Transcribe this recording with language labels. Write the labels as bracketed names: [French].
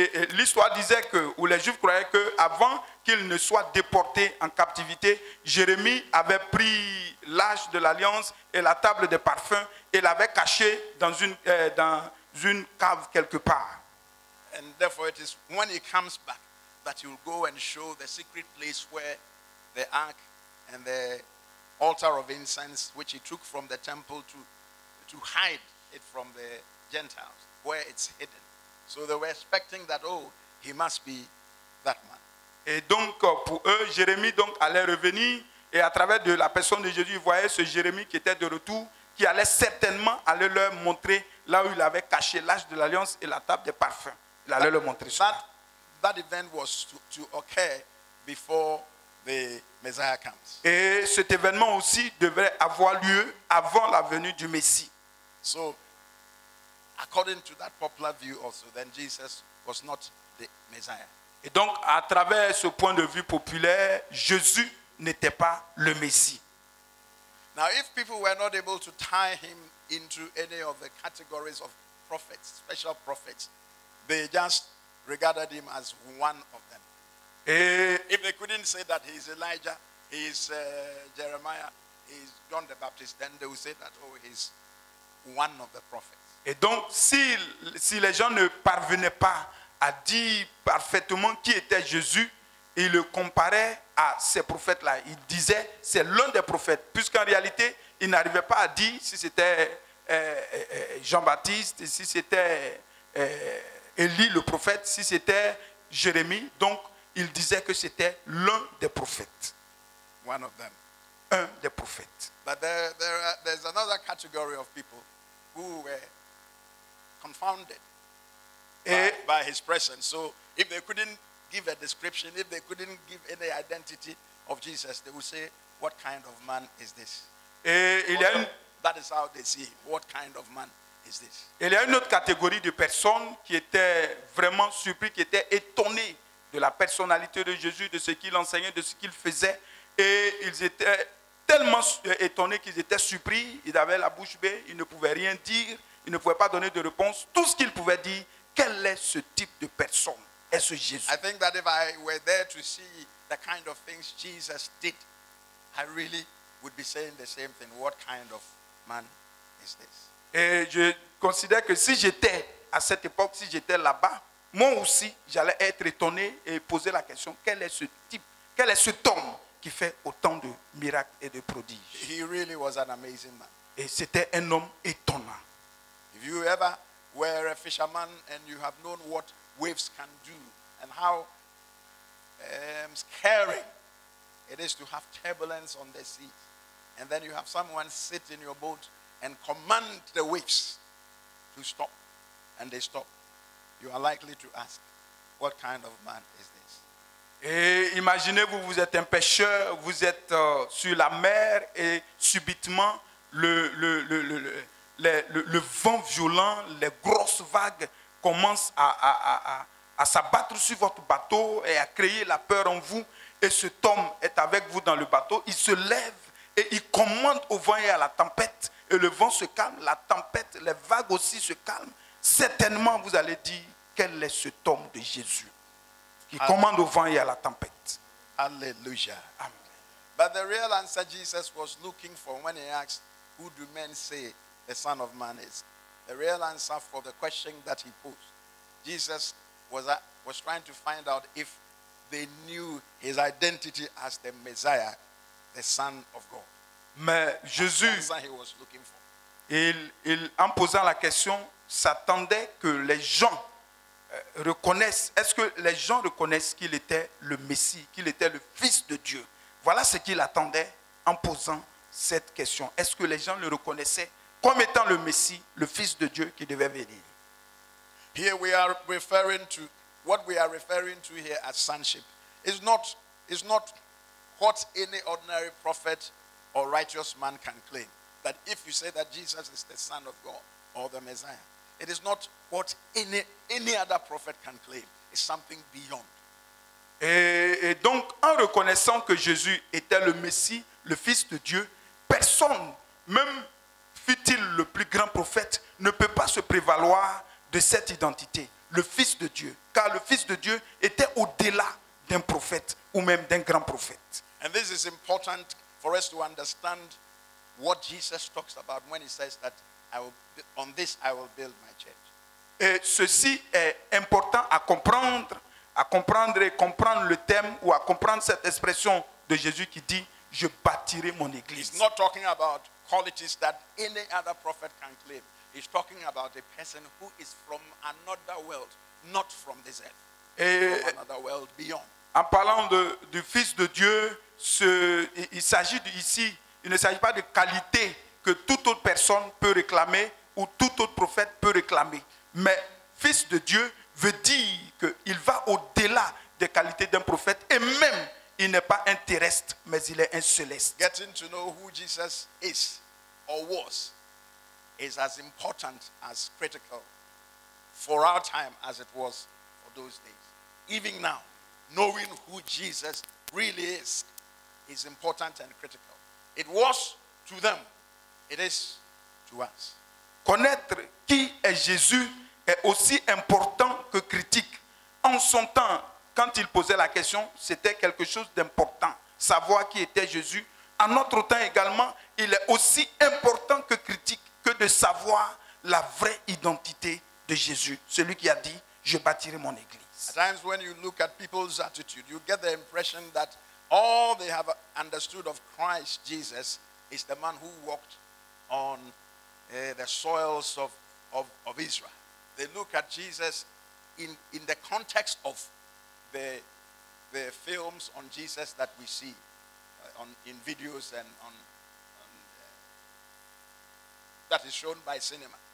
[French] L'histoire disait que, ou les Juifs croyaient que, avant qu'ils ne soient déportés en captivité, Jérémie avait pris l'arche de l'alliance et la table des parfums et l'avait caché dans une cave quelque part. [English] And therefore, it is when he comes back that he will go and show the secret place where the ark and the altar of incense, which he took from the temple to hide it from the Gentiles, where it's hidden. So they were expecting that, oh, he must be that man. [French] Et donc, pour eux, Jérémie donc allait revenir, et à travers de la personne de Jésus, ils voyaient ce Jérémie qui était de retour, qui allait certainement aller leur montrer là où il avait caché l'âge de l'alliance et la table des parfums. Il allait leur montrer cela. [English] That event was to occur before the Messiah comes. [French] Et cet événement aussi devrait avoir lieu avant la venue du Messie. [English] So, according to that popular view also, then Jesus was not the Messiah. [French] Et donc, à travers ce point de vue populaire, Jésus n'était pas le Messie. [English] Now, if people were not able to tie him into any of the categories of prophets, special prophets, they just regarded him as one of them. [French] Et [English] if they couldn't say that he is Elijah, he is Jeremiah, he is John the Baptist, then they would say that, oh, he is one of the prophets. [French] Et donc, si les gens ne parvenaient pas à dire parfaitement qui était Jésus, ils le comparaient à ces prophètes-là. Ils disaient, c'est l'un des prophètes, puisqu'en réalité, ils n'arrivaient pas à dire si c'était Jean-Baptiste, si c'était Élie le prophète, si c'était Jérémie. Donc, ils disaient que c'était l'un des prophètes. [English] One of them. [French] Un des prophètes. [English] But there's another category of people who were confounded by his presence. So if they couldn't give a description, if they couldn't give any identity of Jesus, they would say, what kind of man is this? That is how they see him. What kind of man is this? [French] Il y a une autre catégorie de personnes qui étaient vraiment surpris, qui étaient étonnés de la personnalité de Jésus, de ce qu'il enseignait, de ce qu'il faisait. Et ils étaient tellement étonnés qu'ils étaient surpris. Ils avaient la bouche bée, ils ne pouvaient rien dire. Il ne pouvait pas donner de réponse. Tout ce qu'il pouvait dire, quel est ce type de personne? Est-ce Jésus? [English] I think that if I were there to see the kind of things Jesus did, I really would be saying the same thing. What kind of man is this? [French] Et je considère que si j'étais à cette époque, si j'étais là-bas, moi aussi, j'allais être étonné et poser la question, quel est ce type, quel est cet homme qui fait autant de miracles et de prodiges? [English] He really was an amazing man. [French] Et c'était un homme étonnant. [English] If you ever were a fisherman and you have known what waves can do and how scary it is to have turbulence on the sea, and then you have someone sit in your boat and command the waves to stop, and they stop, you are likely to ask, what kind of man is this? [French] Et imaginez-vous, vous êtes un pêcheur, vous êtes sur la mer, et subitement, le vent violent, les grosses vagues commencent à s'abattre sur votre bateau et à créer la peur en vous. Et cet homme est avec vous dans le bateau, il se lève et il commande au vent et à la tempête. Et le vent se calme, la tempête, les vagues aussi se calment. Certainement, vous allez dire, quel est cet homme de Jésus qui commande au vent et à la tempête? Alléluia. Amen. [English] But the real answer Jesus was looking for when he asked, who do men say the Son of Man is? The real answer for the question that he posed, Jesus was trying to find out if they knew his identity as the Messiah, the Son of God. [French] Mais Jésus, il en posant la question, s'attendait que les gens reconnaissent. Est-ce que les gens reconnaissent qu'il était le Messie, qu'il était le Fils de Dieu? Voilà ce qu'il attendait en posant cette question. Est-ce que les gens le reconnaissaient comme étant le Messie, le Fils de Dieu qui devait venir? [English] Here we are referring to what we are referring to here as sonship. It's not what any ordinary prophet or righteous man can claim. That if you say that Jesus is the Son of God or the Messiah, it is not what any other prophet can claim. It's something beyond. [French] Et donc, en reconnaissant que Jésus était le Messie, le Fils de Dieu, personne, même fût-il le plus grand prophète, ne peut pas se prévaloir de cette identité, le Fils de Dieu, car le Fils de Dieu était au-delà d'un prophète ou même d'un grand prophète. [English] And this is important for us to understand what Jesus talks about when he says that I will build my church. [French] Et ceci est important à comprendre le thème ou à comprendre cette expression de Jésus qui dit je bâtirai mon église. [English] He's not talking about qualities that any other prophet can claim. He's talking about a person who is from another world, not from this earth. [French] Et [English] from another world beyond. [French] En parlant du Fils de Dieu, il ne s'agit pas de qualité que toute autre personne peut réclamer ou tout autre prophète peut réclamer. Mais Fils de Dieu veut dire qu'il va au-delà des qualités d'un prophète et même il n'est pas un terrestre, mais il est un céleste. [English] Getting to know who Jesus is or was is as important as critical for our time as it was for those days. Even now, knowing who Jesus really is important and critical. It was to them, it is to us. [French] Connaître qui est Jésus est aussi important que critique. En son temps, quand il posait la question, c'était quelque chose d'important, savoir qui était Jésus. En notre temps également, il est aussi important que critique que de savoir la vraie identité de Jésus, celui qui a dit, je bâtirai mon église. [English] At times when you look at people's attitude, you get the impression that all they have understood of Christ Jesus is the man who walked on the soils of Israel. They look at Jesus in the context of the films on Jesus that we see in videos and that is shown by cinema.